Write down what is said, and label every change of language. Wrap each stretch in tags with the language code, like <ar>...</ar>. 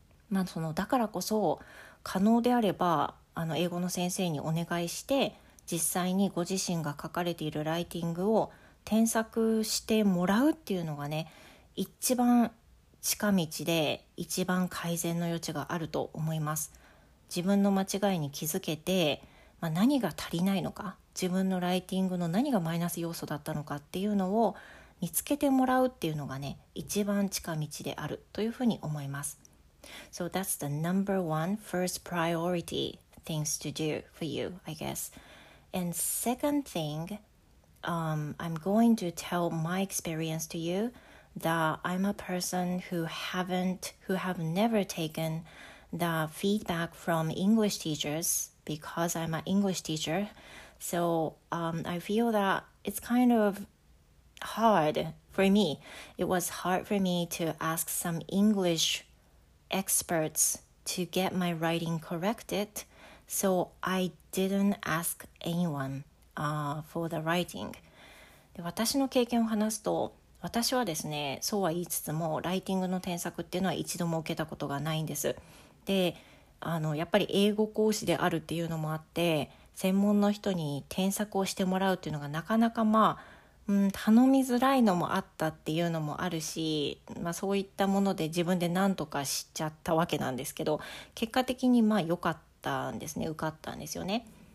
<ja>まあ、そのだからこそ可能であれば、あの英語の先生にお願いして、実際にご自身が書かれているライティングを添削してもらうっていうのがね、一番近道で一番改善の余地があると思います。自分の間違いに気づけて、まあ、何が足りないのか、自分のライティングの何がマイナス要素だったのかっていうのを見つけてもらうっていうのがね、一番近道であるというふうに思います。</ja> <en>So that's the number one first priority things to do for you, I guess. And second thing, I'm going to tell my experience to you that I'm a person who have never taken the feedback from English teachers because I'm an English teacher. So I feel that it's kind of hard for me. It was hard for me to ask some English experts to get my writing corrected. So I didn't ask anyone for the writing.</en> <ja>で、私の経験を話すと、私はですね、そうは言いつつも、ライティングの添削っていうのは一度も受けたことがないんです。で、やっぱり英語講師であるっていうのもあって、専門の人に添削をしてもらうっていうのがなかなか頼みづらいのもあったっていうのもあるし、そういったもので自分で何とかしちゃったわけなんですけど、結果的に良かったんですね、受かったんですよね。</ja>